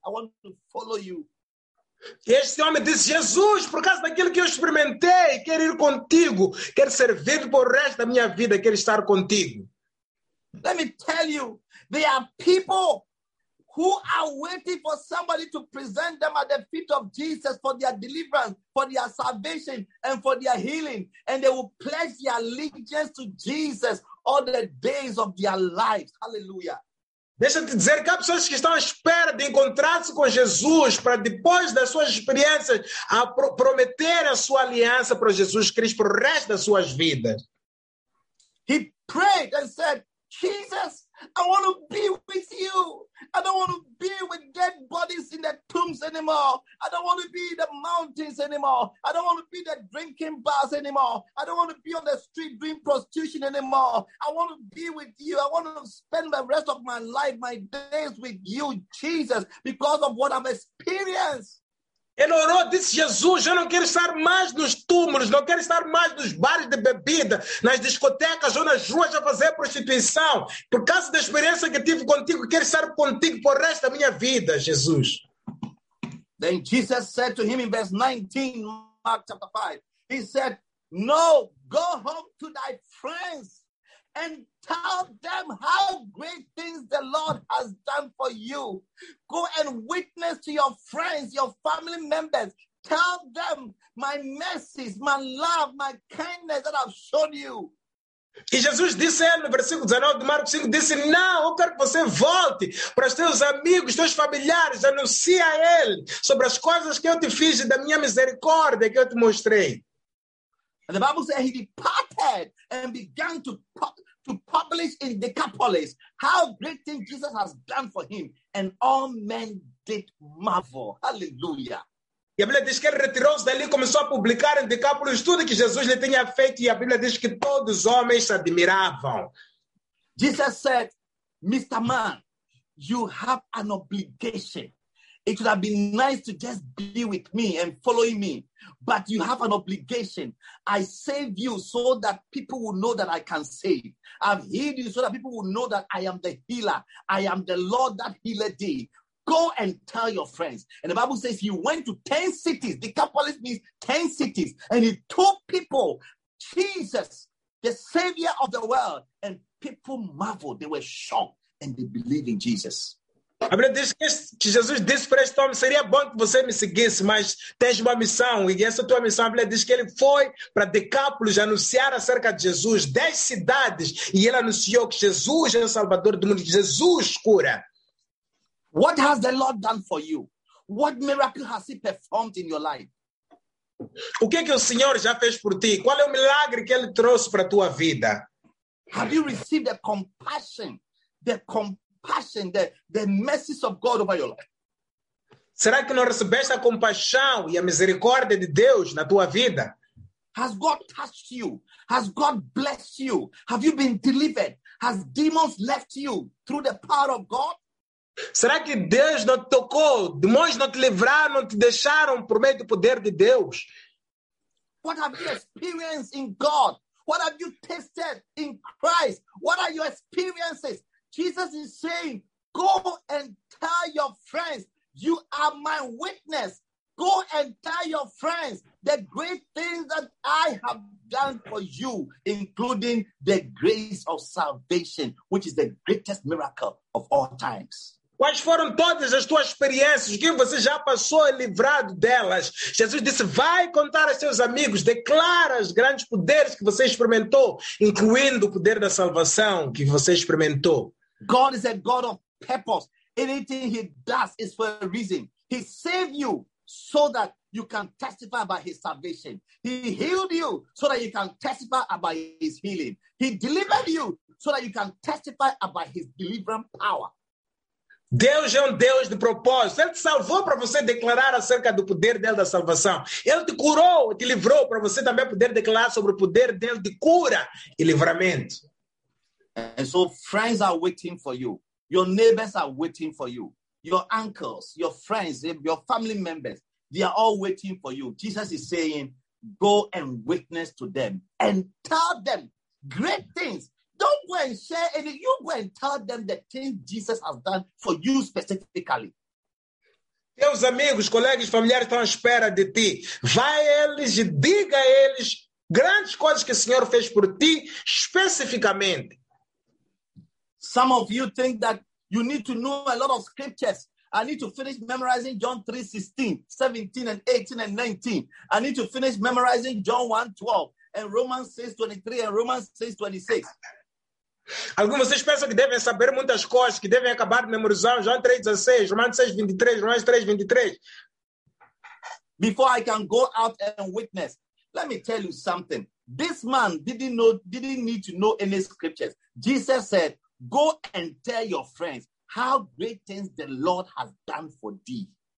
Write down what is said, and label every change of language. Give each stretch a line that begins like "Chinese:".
English: I want to follow you.
Portuguese: Este homem disse, Jesus, por causa daquilo que eu experimentei, quero ir contigo, quero servir por o resto da minha vida, quero estar contigo.
English: Let me tell you, there are people who are waiting for somebody to present them at the feet of Jesus for their deliverance, for their salvation, and for their healing. And they will pledge their allegiance to Jesus all the days of their lives. Hallelujah.
Portuguese: Deixa-te dizer que há pessoas que estão à espera de encontrar-se com Jesus para depois das suas experiências a prometer a sua aliança para Jesus Cristo para o resto das suas vidas.
English: He prayed and said, Jesus, I want to be with you. I don't want to be with dead bodies in the tombs anymore. I don't want to be in the mountains anymore. I don't want to be in the drinking bars anymore. I don't want to be on the street doing prostitution anymore. I want to be with you. I want to spend the rest of my life, my days with you, Jesus, because of what I've experienced.
Portuguese: Ele orou, disse, Jesus, eu não quero estar mais nos túmulos, não quero estar mais nos bares de bebida, nas discotecas ou nas ruas a fazer prostituição. Por causa da experiência que tive contigo, quero estar contigo por o resto da minha vida, Jesus.
English: Then Jesus said to him in verse 19, Mark chapter 5, he said, no, go home to thy friends and tell them how great things the Lord has done for you. Go and witness to your friends, your family members. Tell them my mercies, my love, my kindness that I've shown you.
Portuguese: E Jesus disse a ele, no versículo 19 de Marcos 5, disse, não, eu quero que você volte para os teus amigos, teus familiares, anuncie a ele sobre as coisas que eu te fiz e da minha misericórdia que eu te mostrei.
English: And the Bible says he departed and began to publish in Decapolis how great thing Jesus has done for him, and all men did marvel. Hallelujah.
Portuguese: E a Bíblia diz que ele retirou-se dali e começou a publicar em Decapolis tudo que Jesus lhe tinha feito, e a Bíblia diz que todos os homens se admiravam.
English: Jesus said, Mr. Man, you have an obligation. It would have been nice to just be with me and follow me, but you have an obligation. I save you so that people will know that I can save. I've healed you so that people will know that I am the healer. I am the Lord that healed thee. Go and tell your friends. And the Bible says he went to 10 cities. Decapolis means 10 cities. And he told people, Jesus, the savior of the world. And people marveled. They were shocked and they believed in Jesus.
Portuguese: A Bíblia diz que Jesus disse para este homem, seria bom que você me seguisse, mas tens uma missão, e essa tua missão, a Bíblia diz que ele foi para Decápolis anunciar acerca de Jesus, 10 cidades, e ele anunciou que Jesus é o Salvador do mundo, Jesus cura.
English: What has the Lord done for you? What miracle has he performed in your life?
Portuguese: O que é que o Senhor já fez por ti? Qual é o milagre que ele trouxe para a tua vida?
English: Have you received the compassion, passion, the mercies of God over your life?
Portuguese: Será que não recebeste a compaixão e a misericórdia de Deus na tua vida?
English: Has God touched you? Has God blessed you? Have you been delivered? Has demons left you through the power of God?
Portuguese: Será que Deus não te tocou? Demônios não te livraram, não te deixaram por meio do poder de Deus?
English: What have you experienced in God? What have you tasted in Christ? What are your experiences? Jesus is saying, go and tell your friends, you are my witness. Go and tell your friends the great things that I have done for you, including the grace of salvation, which is the greatest miracle of all times.
Portuguese: Quais foram todas as tuas experiências? O que você já passou e livrado delas? Jesus disse, vai contar aos seus amigos, declara os grandes poderes que você experimentou, incluindo o poder da salvação que você experimentou.
English: God is a God of purpose. Anything he does is for a reason. He saved you so that you can testify about his salvation. He healed you so that you can testify about his healing. He delivered you so that you can testify about his delivering power.
Portuguese: Deus é um Deus de propósito. Ele te salvou para você declarar acerca do poder dele da salvação. Ele te curou, te livrou para você também poder declarar sobre o poder dele de cura e livramento.
English: And so friends are waiting for you. Your neighbors are waiting for you. Your uncles, your friends, your family members, they are all waiting for you. Jesus is saying, go and witness to them and tell them great things. Don't go and share anything. You go and tell them the things Jesus has done for you specifically.
Portuguese: Teus amigos, colegas, familiares estão à espera de ti. Vai a eles e diga a eles grandes coisas que o Senhor fez por ti especificamente.
English: Some of you think that you need to know a lot of scriptures. I need to finish memorizing John 3, 16, 17, and 18, and 19. I need to finish memorizing John 1, 12, and Romans 6, 23, and Romans 6, 26.
Portuguese: Alguns de vocês pensam que devem saber muitas coisas, que devem acabar de memorizar João 3, 16, Romanos 6, 23, Romanos 3, 23.
English: Before I can go out and witness, let me tell you something. This man didn't need to know any scriptures. Jesus said, go and tell your friends how great things the Lord has done for thee.